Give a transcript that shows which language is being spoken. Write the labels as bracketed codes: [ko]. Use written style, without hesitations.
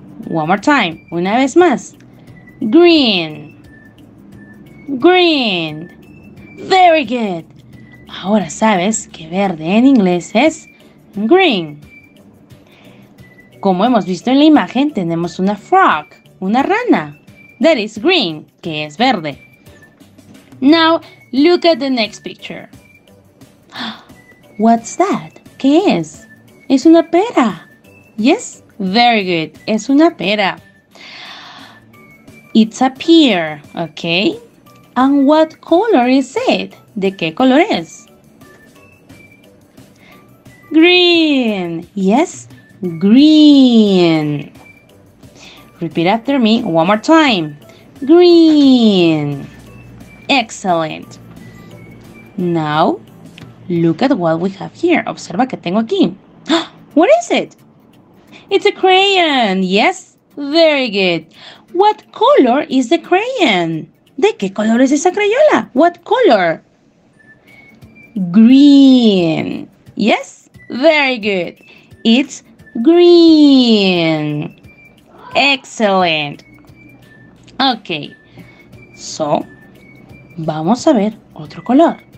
[en] One more time. [es] Una vez más. [en] Green. Green. Very good. [es] Ahora sabes que verde en inglés es green. Como hemos visto en la imagen, tenemos una frog, una rana. [en] That is green, [es] que es verde. [en] Now, look at the next picture. What's that? [es] ¿Qué es? Es una pera. [en] Yes, very good. [es] Es una pera. [en] It's a pear, okay? And what color is it? [es] ¿De qué color es? [en] Green. Yes, green. Repeat after me one more time. Green. Excellent. Now, look at what we have here. [es] Observa que tengo aquí. [en] What is it? It's a crayon. Yes, very good. What color is the crayon? [es] ¿De qué color es esa crayola? [en] What color? Green. Yes, very good. It's green. Excellent. Okay. [es] So, vamos a ver otro color.